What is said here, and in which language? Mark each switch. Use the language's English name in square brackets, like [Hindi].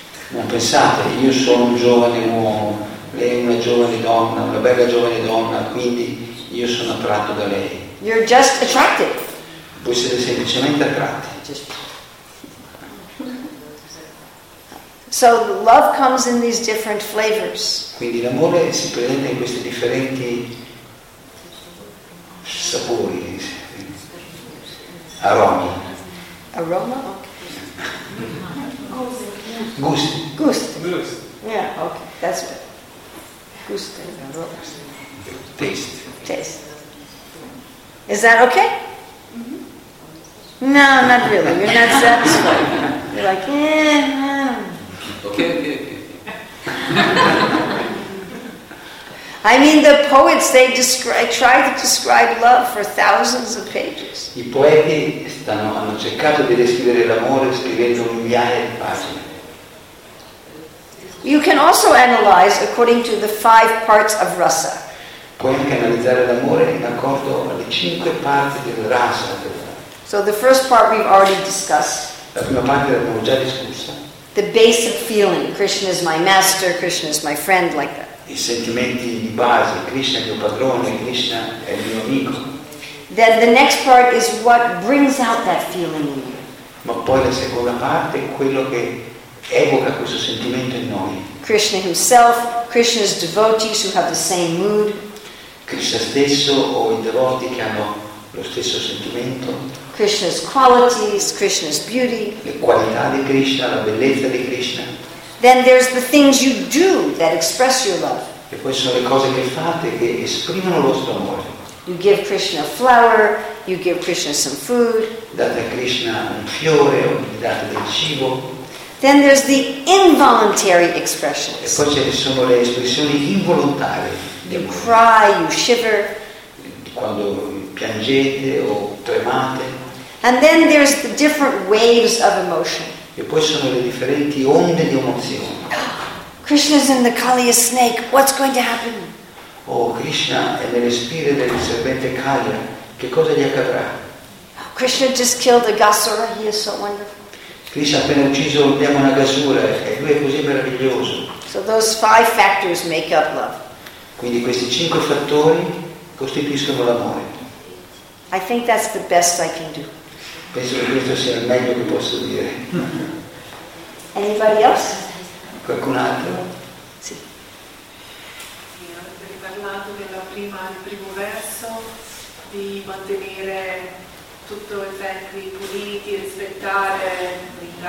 [Italian] Non pensate, io sono un giovane uomo, lei è una giovane donna, una bella giovane donna, quindi io sono attratto da lei. [English] You're just attracted. [Italian] Voi siete semplicemente attratti. [English] So love comes in these different flavors. [Italian] Quindi l'amore si presenta in questi differenti sapori. Aromi. [English] Aroma? Okay. [Italian] Gusti. Gusti. Gusti. [English] Yeah, okay. That's good. Gusti. Aroma. Taste. Is that okay? Mm-hmm. No, not really. You're not satisfied. You're like, eh. Okay. I mean, the poets, they try to describe love for thousands of pages. [Italian] I poeti hanno cercato di descrivere l'amore scrivendo migliaia di pagine. [English] You can also analyze according to the five parts of rasa. [Italian] Puoi anche analizzare l'amore in accordo alle cinque parti del rasa. [English] So the first part we've already discussed. [Italian] La prima parte l'abbiamo già discussa. [English] The basic feeling, Krishna is my master, Krishna is my friend, like that. [Italian] I sentimenti di base, Krishna è mio padrone, Krishna è mio amico. [English] Then the next part is what brings out that feeling in you. [Italian] Ma poi la seconda parte è quello che evoca questo sentimento in noi. [English] Krishna himself, Krishna's devotees who have the same mood. [Italian] Krishna stesso o i devoti che hanno lo stesso sentimento. [English] Krishna's qualities, Krishna's beauty. [Italian] Le qualità di Krishna, la bellezza di Krishna. [English] Then there's the things you do that express your love. [Italian] E poi sono le cose che fate che esprimono il vostro amore. [English] You give Krishna a flower, you give Krishna some food. [Italian] Date a Krishna un fiore, date del cibo. [English] Then there's the involuntary expressions. [Italian] E poi ci sono le espressioni involontarie. [English] You cry, you shiver. [Italian] Quando piangete o tremate. [English] And then there's the different waves of emotion. [Italian] E poi sono le differenti onde di emozione. [English] Krishna's in the Kali a snake. What's going to happen? [Italian] Oh, Krishna è nelle spire del serpente Kali. Che cosa gli accadrà? [English] Krishna just killed Agassura. He is so wonderful. [Italian] Krishna ha appena ucciso il demone Agassura e lui è così meraviglioso. [English] So those five factors make up love. [Italian] Quindi questi cinque fattori costituiscono l'amore. [English] I think that's the best I can do. [Italian] Penso che questo sia il meglio che posso dire. [English] Anybody else? [Italian] Qualcun altro? Sì. Riparlando del primo verso, di mantenere tutto i tempi puliti, rispettare